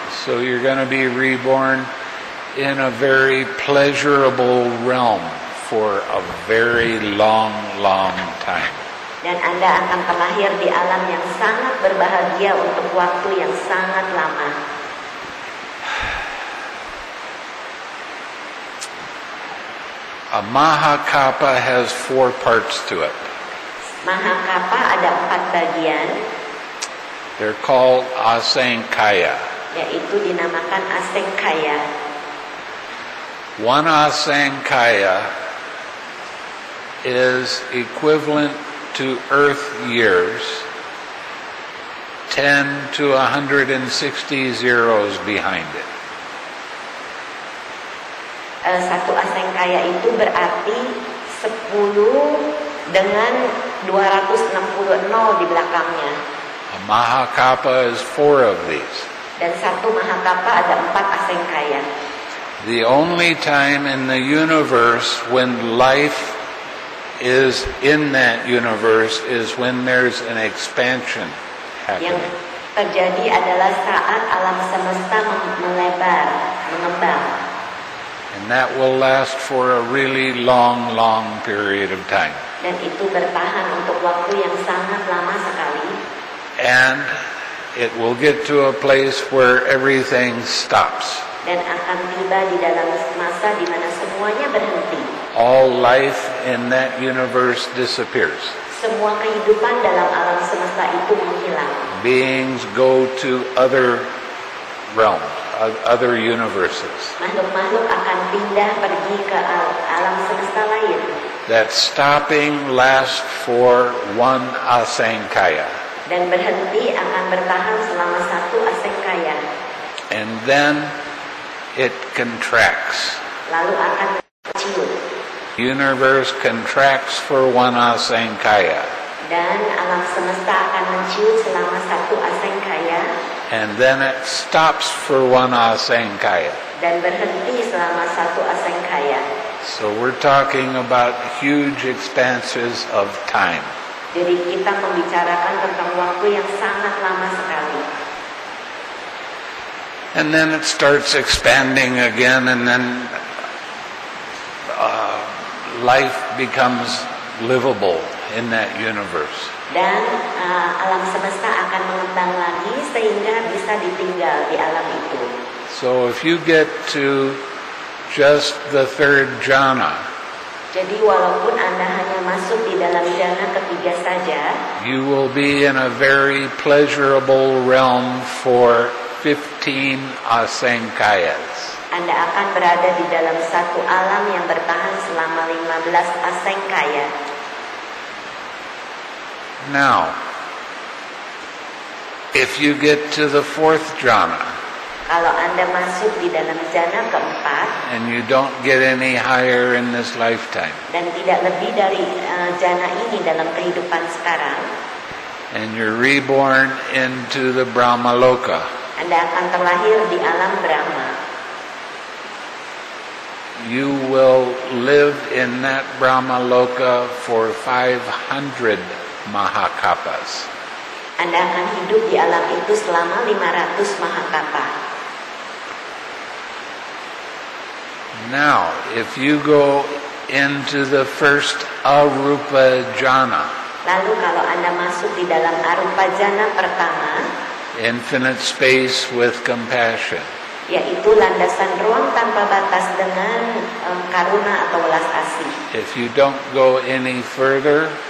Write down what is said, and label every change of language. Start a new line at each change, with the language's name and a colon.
English: So you're going to be reborn in a very pleasurable realm for a very long, long time.
Indonesian: Dan Anda akan terlahir di alam yang sangat berbahagia untuk waktu yang sangat lama.
English: A mahakapa has four parts to it.
Indonesian: Mahakapa ada empat bagian.
English: They're called asaṅkhaya.
Indonesian: Yaitu dinamakan asaṅkhaya.
English: One asaṅkhaya is equivalent to Earth years, 10 to 160 zeros behind it.
Indonesian: Satu asengkaya itu berarti 10 dengan 260 nol di belakangnya.
English: A Mahakapa is four of these.
Indonesian: Dan satu Mahakapa ada 4 asengkaya.
English: The only time in the universe when life is in that universe is when there's an expansion happening.
Indonesian: Yang terjadi adalah saat alam semesta melebar, mengembang.
English: And that will last for a really long, long period of time.
Indonesian: Dan itu bertahan untuk waktu yang sangat lama sekali.
English: And it will get to a place where everything stops.
Indonesian: Dan akan tiba di dalam masa di mana semuanya berhenti.
English: All life in that universe disappears.
Indonesian: Semua kehidupan dalam alam semesta itu menghilang.
English: Beings go to other realms, other universes.
Indonesian: Makhluk-makhluk akan pindah pergi ke alam semesta lain.
English: That stopping lasts for one asengkaya.
Indonesian: Dan berhenti akan bertahan selama satu asengkaya.
English: And then it contracts.
Indonesian: Lalu akan kecil.
English: Universe contracts for one asengkaya.
Indonesian: Dan alam semesta akan mencium selama satu asengkaya.
English: And then it stops for one asengkaya.
Indonesian: Dan berhenti selama satu asengkaya.
English: So we're talking about huge expanses of time.
Indonesian: Jadi kita membicarakan tentang waktu yang sangat lama sekali.
English: And then it starts expanding again, and then life becomes livable in that universe.
Indonesian: Dan alam semesta akan mengembang lagi sehingga bisa ditinggal di alam itu.
English: So if you get to just the third jhana,
Indonesian: jadi walaupun Anda hanya masuk di dalam jhana ketiga saja,
English: you will be in a very pleasurable realm for 15 asengkayas.
Indonesian: Anda akan berada di dalam satu alam yang bertahan selama 15 asengkaya.
English: Now, if you get to the fourth jhana,
Indonesian: kalau Anda masuk di dalam jhana keempat,
English: and you don't get any higher in this lifetime,
Indonesian: dan tidak lebih dari jhana ini dalam kehidupan sekarang,
English: and you're reborn into the Brahmaloka,
Indonesian: Anda akan terlahir di alam Brahma.
English: You will live in that Brahmaloka for 500 Mahakapas.
Indonesian: Anda akan hidup di alam itu selama 500 Mahakapa.
English: Now, if you go into the first Arupa Jhana,
Indonesian: lalu kalau Anda masuk di dalam Arupa Jhana pertama,
English: infinite space with compassion,
Indonesian: yaitu landasan ruang tanpa batas dengan karuna atau welas asih.
English: If you don't go any further,